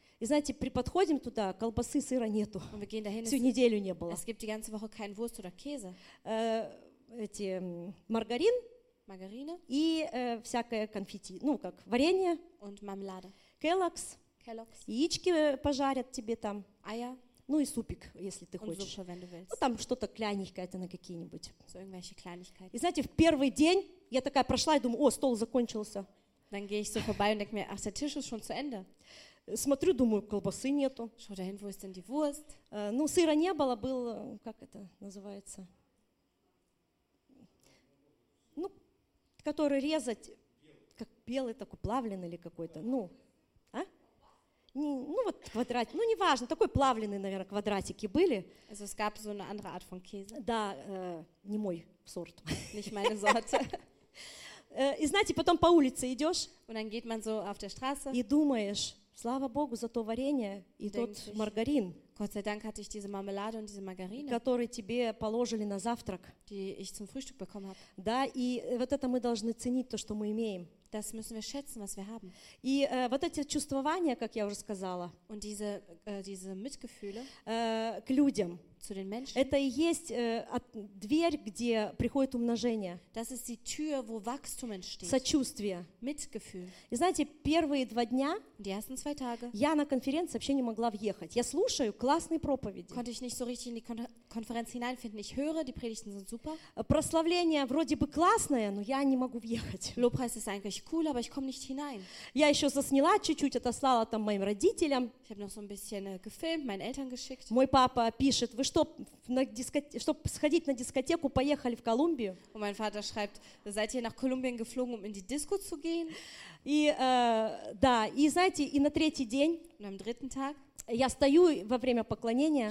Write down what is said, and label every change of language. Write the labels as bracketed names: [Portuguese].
[Russian] И знаете, при подходим туда, колбасы, сыра нету. [German] Und wir gehen dahin, [Russian] всю неделю не было. [German] Es gibt die ganze Woche keinen Wurst oder Käse. [Russian] Эти маргарин. [German] Margarine. [Russian] И всякое конфетти, ну как варенье. [German] Und Marmelade. [Russian] Келлокс. [German] Келлокс. [Russian] Яички пожарят тебе там. [German] Eier. [Russian] Ну и супик, если ты хочешь. [German] Super, [Russian] ну там что-то кляненькое на какие-нибудь. [German] So, irgendwelche Kleinigkeiten. [Russian] И знаете, в первый день я такая прошла и думаю, о, стол закончился. [German] Dann gehe ich so vorbei und denke mir, ach, der Tisch ist schon zu Ende. [Russian] Смотрю, думаю, колбасы нету. [German] Schau dahin, wo ist denn die Wurst? [Russian] Ну, сыра не было, был, как это называется? Ну, который резать, как белый такой, плавленый или какой-то, ну... Не, ну вот квадратик, ну неважно, такой плавленый, наверное, квадратики были. [German] Also, es gab so eine andere Art von Käse. [Russian] Да, не мой сорт. [German] Nicht meine Sorte. [Russian] И знаете, потом по улице идешь. [German] Und dann geht man so auf der Straße. [Russian] И думаешь, слава Богу за то варенье и тот маргарин. [German] Gott sei Dank hatte ich diese Marmelade und diese Margarine, [Russian] которые тебе положили на завтрак. [German] Die ich zum Frühstück bekommen habe. [Russian] Да, и вот это мы должны ценить, то, что мы имеем. [German] Das müssen wir schätzen, was wir haben. [Russian] И вот эти чувствования, как я уже сказала, [German] und diese, diese Mitgefühle, [Russian] к людям, [German] zu den Menschen, [Russian] это и есть дверь, где приходит умножение. [German] Das ist die Tür, wo Wachstum entsteht. [Russian] Сочувствие. [German] Mitgefühl. [Russian] И знаете, первые два дня, [German] die ersten zwei Tage, [Russian] я на конференции вообще не могла въехать. Я слушаю классные проповеди. [German] Konnte ich nicht so richtig in die Konferenz hineinfinden. Ich höre, die Predigten sind super. [Russian] Прославление вроде бы классное, но я не могу въехать. [German] Lobpreis ist eigentlich cool, aber ich komme nicht hinein. [Russian] Я еще засняла чуть-чуть, отослала там моим родителям. [German] Ich habe noch so ein bisschen gefilmt, meinen Eltern geschickt. [Russian] Мой папа пишет, вы что, чтобы сходить на дискотеку, поехали в Колумбию? [German] Und mein Vater schreibt, seid ihr nach Kolumbien geflogen, um in die Disco zu gehen? [Russian] И да, и знаете, и на третий день, [German] am dritten Tag, [Russian] я стою во время поклонения,